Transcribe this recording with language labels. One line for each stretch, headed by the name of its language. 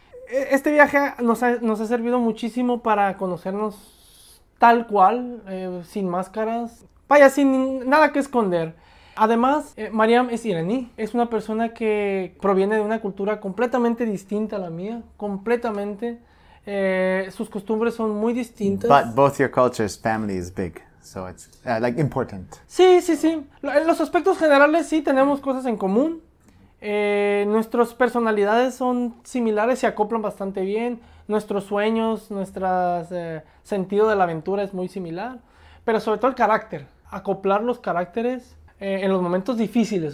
Spanish: Este viaje nos ha servido muchísimo para conocernos tal cual, sin máscaras, vaya, sin nada que esconder. Además, Mariam es iraní, es una persona que proviene de una cultura completamente distinta a la mía, completamente. Sus costumbres son muy distintas.
English: But both your cultures, family is big, so it's like important.
Spanish: Sí, sí, sí. En los aspectos generales sí tenemos cosas en común. Nuestras personalidades son similares, se acoplan bastante bien. Nuestros sueños, nuestro sentido de la aventura es muy similar. Pero sobre todo el carácter. Acoplar los caracteres en los momentos difíciles.